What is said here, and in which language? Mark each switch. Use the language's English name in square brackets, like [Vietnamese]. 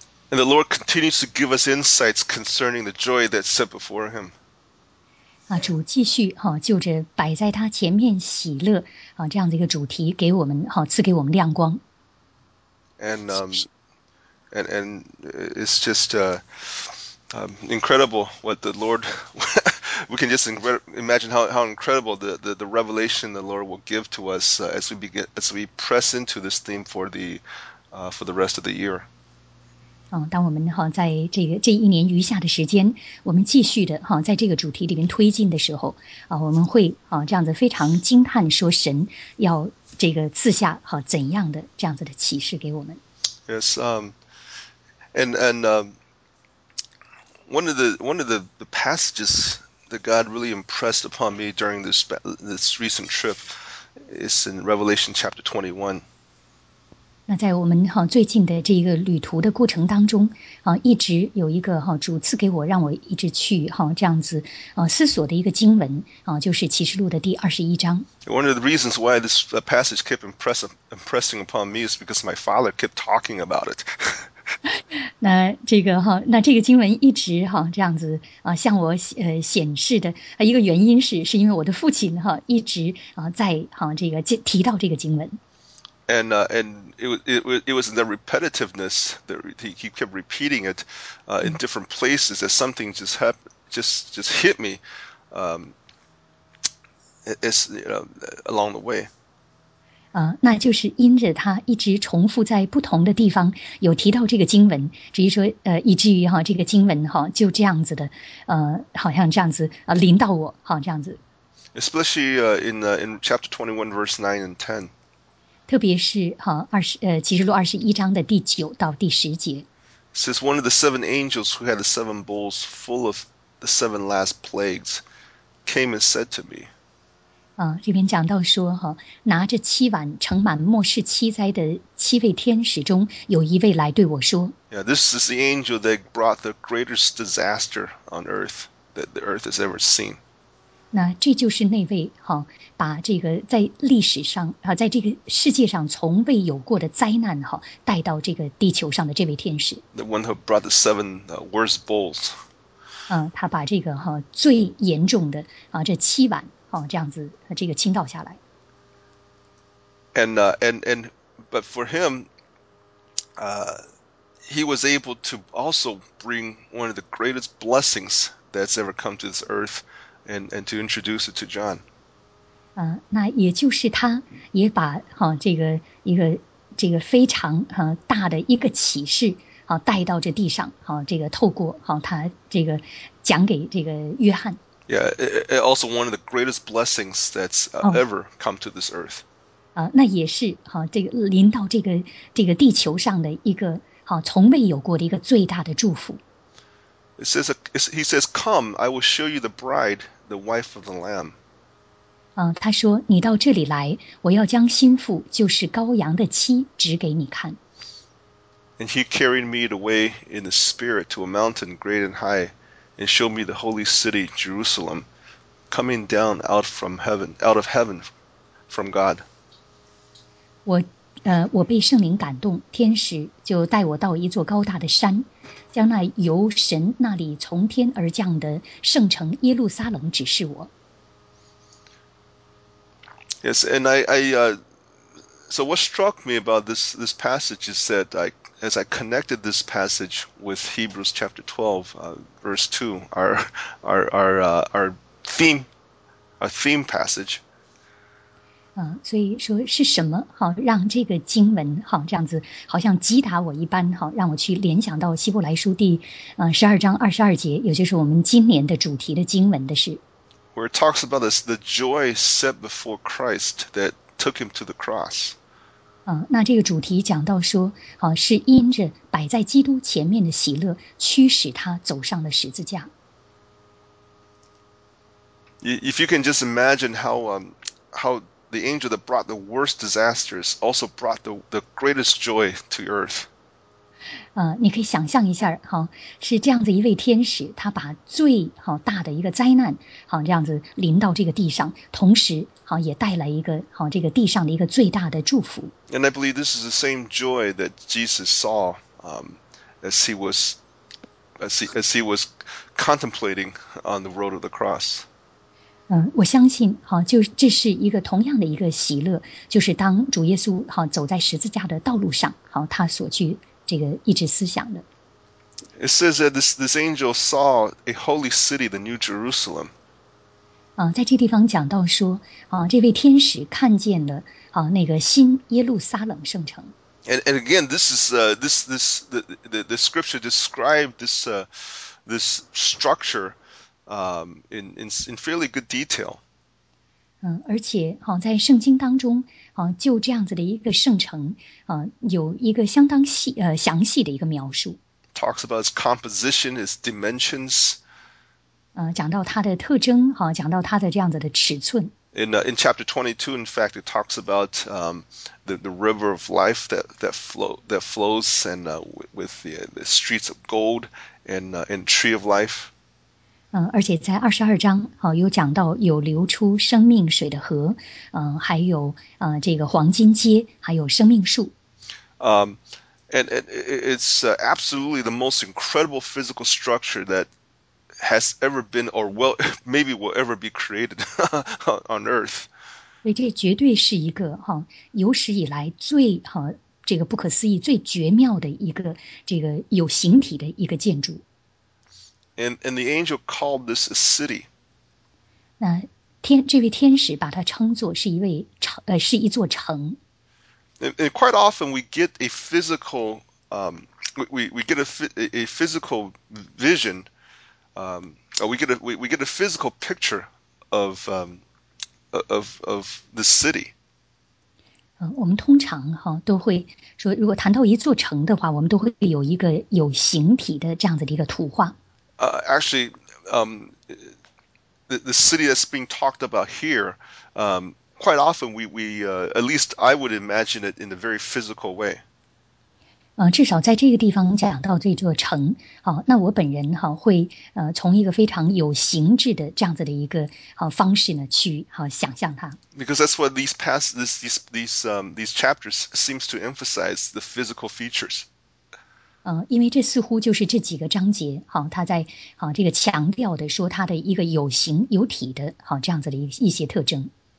[English] And the Lord continues to give us insights concerning the joy that's set before Him. [Chinese] 主继续就着摆在他前面喜乐这样的一个主题，给我们赐给我们亮光。 [English] And it's just incredible what the Lord. We can just imagine how incredible the revelation the Lord will give to us as we press into this theme for the rest of the year. [Chinese] 当我们在这一年余下的时间，我们继续的在这个主题里面推进的时候我们会这样子非常惊叹，说神要这个赐下怎样的这样子的启示给我们。 [English] Yes, one of the passages that God really impressed upon me during this recent trip is in Revelation chapter 21. [Chinese] 那在我们最近的这个旅途的过程当中一直有一个主赐给我，让我一直去这样子思索的一个经文就是启示录的第21章。 [English] One of the reasons why this passage kept impressing upon me is because my father kept talking about it. [Chinese] 那这个经文一直这样子向我显示的一个原因是因为我的父亲一直在这个提到这个经文。 [English] And it was in the repetitiveness that he kept repeating it in different places that something just hit me. It's along the way. [Chinese] 那就是因着他一直重复在不同的地方有提到这个经文，至于说以至于这个经文就这样子的好像这样子临到我这样子。 [English] Especially in chapter 21 verse 9 and 10. [Chinese] 特别是启示录21章的第9到第10节。 [English] It says one of the seven angels who had the seven bowls full of the seven last plagues came and said to me. [Chinese] 这边讲到说拿着七碗盛满末世七灾的七位天使中有一位来对我说。 [English] Yeah, this is the angel that brought the greatest disaster on earth that the earth has ever seen. [Chinese] 那这就是那位把这个在历史上在这个世界上从未有过的灾难带到这个地球上的这位天使。 [English] The one who brought the seven worst bowls. [Chinese] 他把这个最严重的这七碗这样子这个倾倒下来。 [English] And but for him, he was able to also bring one of the greatest blessings that's ever come to this earth and to introduce it to John. [Chinese] 那也就是他也把这个一个这个非常大的一个启示带到这地上这个透过他这个讲给这个约翰。 [English] Yeah, it also one of the greatest blessings that's ever come to this earth. [Chinese] 那也是这个临到这个这个地球上的一个从未有过的一个最大的祝福。 [English] He says, come, I will show you the bride, the wife of the Lamb. [Chinese] 他说你到这里来我要将心腹就是羔羊的妻指给你看。 [English] And he carried me away in the spirit to a mountain great and high, and showed me the holy city, Jerusalem, coming down out of heaven from God. [Chinese] 我被圣灵感动，天使就带我到一座高大的山，将那由神那里从天而降的圣城耶路撒冷指示我。 [English] Yes, and so what struck me about this passage is that as I connected this passage with Hebrews chapter 12, verse 2, our theme passage. [Chinese] 所以说是什么让这个经文这样子好像击打我一般让我去联想到希伯来书第12章22节，也就是我们今年的主题的经文的是。 [English] Where it talks about this, the joy set before Christ that took him to the cross. [Chinese] 那这个主题讲到说是因着摆在基督前面的喜乐驱使他走上了十字架。 [English] If you can just imagine how the angel that brought the worst disasters also brought the greatest joy to earth. [Chinese] 你可以想象一下是这样子一位天使他把最大的一个灾难这样子临到这个地上同时也带来一个这个地上的一个最大的祝福。 [English] And I believe this is the same joy that Jesus saw as he was contemplating on the road of the cross. [Chinese] 我相信就这是一个同样的一个喜乐就是当主耶稣走在十字架的道路上他所去这个一直思想的。 [English] It says that this angel saw a holy city, the New Jerusalem. [Chinese] 在这地方讲到说这位天使看见了那个新耶路撒冷圣城。 [English] And again, this is, the scripture described this structure,in fairly good detail. [Chinese] 而且在圣经当中就这样子的一个圣城有一个相当详细的一个描述。 [English] Talks about its composition, its dimensions. [Chinese] 讲到它的特征讲到它的这样子的尺寸。 [English] In chapter 22, in fact, it talks about the river of life that flows and with the streets of gold and tree of life. [Chinese] 而且在22章有讲到有流出生命水的河还有这个黄金街还有生命树。 [English] And it's absolutely the most incredible physical structure that has ever been or will, maybe will ever be created on earth. [Chinese] 所以这绝对是一个有史以来最这个不可思议最绝妙的一个这个有形体的一个建筑。 [English] And the angel called this a city. [Chinese] 这位天使把它称作是是一座城。 [English] And quite often we get a physical, we get a physical vision, we get a physical picture of the city. [Chinese] 我们通常都会说，如果谈到一座城的话，我们都会有一个有形体的这样子的一个图画。 [English] Actually, the city that's being talked about here, quite often we at least I would imagine it in a very physical way. [Chinese] 至少在这个地方讲到这座城，那我本人会从一个非常有形制的这样子的一个方式呢去想象它。 [English] Because that's what these chapters seems to emphasize the physical features. [Chinese] 因为这似乎就是这几个章节他在这个强调的说他的一个有形有体的这样子的一些特征。